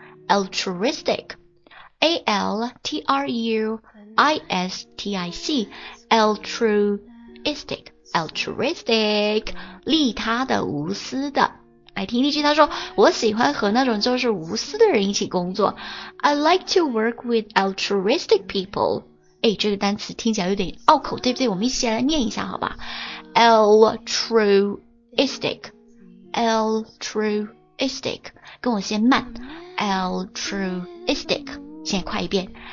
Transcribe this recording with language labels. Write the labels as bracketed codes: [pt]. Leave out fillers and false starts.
[en] altruistic, A-L-T-R-U-I-S-T-I-C, altruistic, [zh] 利他的，无私的。来听听，他说，我喜欢和那种就是无私的人一起工作。 [en] I like to work with altruistic people. [zh] 诶，这个单词听起来有点拗口，对不对？我们一起来念一下好吧。 altruistic, 跟我先慢。 altruistic, 先快一遍。